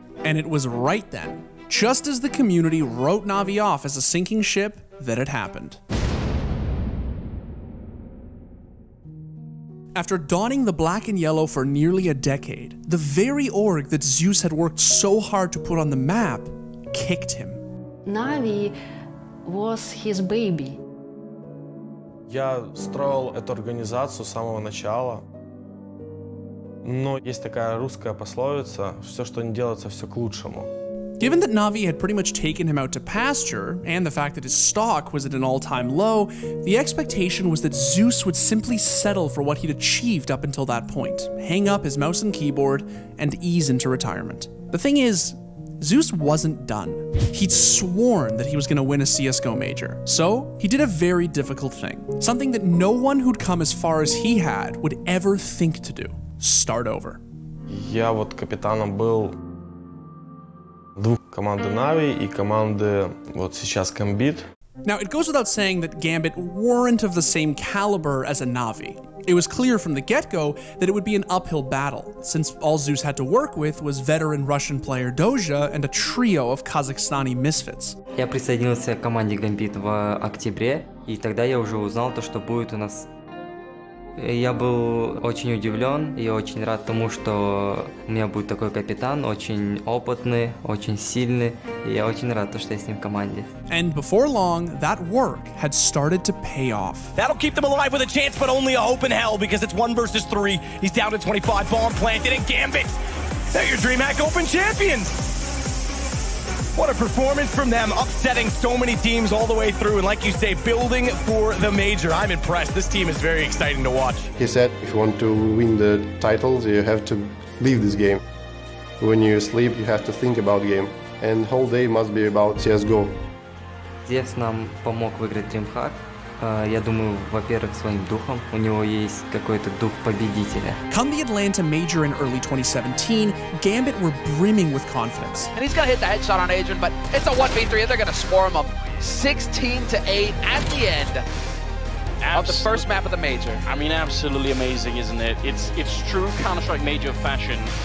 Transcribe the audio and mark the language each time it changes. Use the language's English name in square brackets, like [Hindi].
[English] And it was right then, just as the community wrote Na'Vi off as a sinking ship, that it happened. After donning the black and yellow for nearly a decade, the very org that Zeus had worked so hard to put on the map kicked him. Na'Vi was his baby. [Russian] Я строил эту организацию с самого начала. Но есть такая русская пословица: все, что не делается, все к лучшему. [English] Given that Na'Vi had pretty much taken him out to pasture, and the fact that his stock was at an all-time low, the expectation was that Zeus would simply settle for what he'd achieved up until that point, hang up his mouse and keyboard, and ease into retirement. The thing is, Zeus wasn't done. He'd sworn that he was going to win a CSGO major, so he did a very difficult thing, something that no one who'd come as far as he had would ever think to do: start over. [Russian] Я вот капитаном был двух команды Na'Vi и команды вот сейчас Gambit. [English] Now, it goes without saying that Gambit weren't of the same caliber as a Na'Vi. It was clear from the get-go that it would be an uphill battle, since all Zeus had to work with was veteran Russian player Doja and a trio of Kazakhstani misfits. [Russian] Я присоединился к команде Gambit в октябре, и тогда я уже узнал то, что будет у нас Я был очень удивлен и очень рад тому, что у меня будет такой капитан, очень опытный, очень сильный, и я очень рад, что я с ним в команде. [English] And before long, that work had started to pay off. That'll keep them alive with a chance, but only a hope in hell, because it's 1v3. He's down to 25, bomb planted, and Gambit! They're your DreamHack Open champions! What a performance from them, upsetting so many teams all the way through, and like you say, building for the major. I'm impressed. This team is very exciting to watch. He said, if you want to win the titles, you have to leave this game. When you sleep, you have to think about the game, and whole day must be about CSGO. [Russian] Zeus нам помог выиграть DreamHack. Я думаю, во-первых, своим духом. У него есть какой-то дух победителя. [English] Come the Atlanta Major in early 2017, Gambit were brimming with confidence. And he's going to hit the headshot on Adrian, but it's a 1v3, and they're going to score him up 16-8 at the end of the first map of the Major. I mean, absolutely amazing, isn't it? It's true Counter-Strike Major fashion.